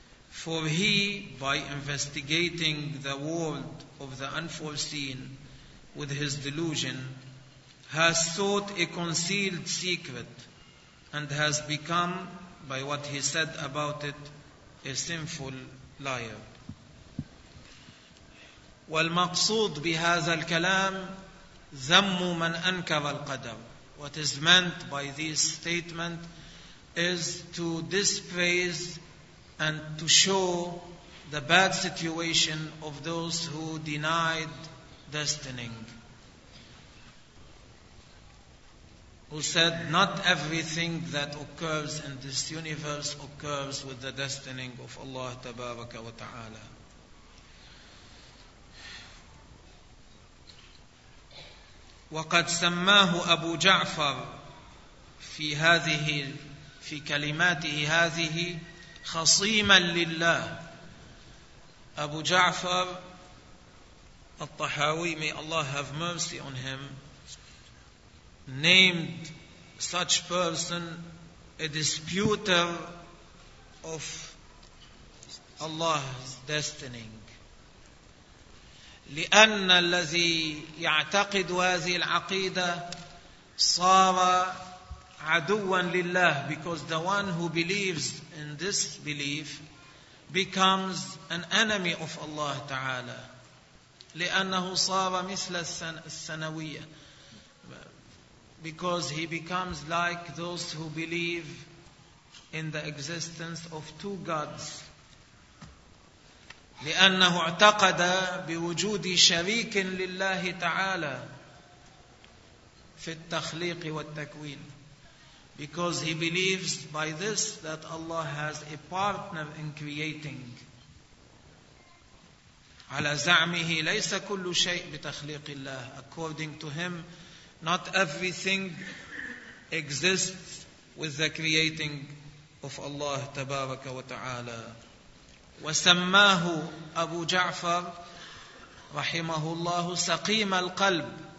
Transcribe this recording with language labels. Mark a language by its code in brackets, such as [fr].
[en] For he, by investigating the world of the unforeseen with his delusion, has sought a concealed secret and has become, by what he said about it, a sinful liar. [ar] والمقصود بهذا الكلام ذم من أنكر القدر. [en] What is meant by this statement is to dispraise and to show the bad situation of those who denied destiny. Who said not everything that occurs in this universe occurs with the destiny of Allah Tabaraka wa Ta'ala. [ar] وقد سماه أبو جعفر في هذه في كلماته هذه خصيما لله. [en] أبو جعفر الطحاوي, may Allah have mercy on him, named such person a disputer of Allah's destiny. [ar] لأن الذي يعتقد هذه العقيدة صار عدوا لله, [en] because the one who believes in this belief becomes an enemy of Allah تعالى, [ar] لأنه صار مثل السنوية, [en] because he becomes like those who believe in the existence of two gods. [ar] لأنه اعتقد بوجود شريك لله تعالى في التخليق والتكوين. [en] Because he believes by this that Allah has a partner in creating. [ar] على زعمه ليس كل شيء بتخليق الله. [en] According to him, not everything exists with the creating of Allah [ar] تبارك وتعالى. وسماه أبو جعفر رحمه الله سقيم القلب,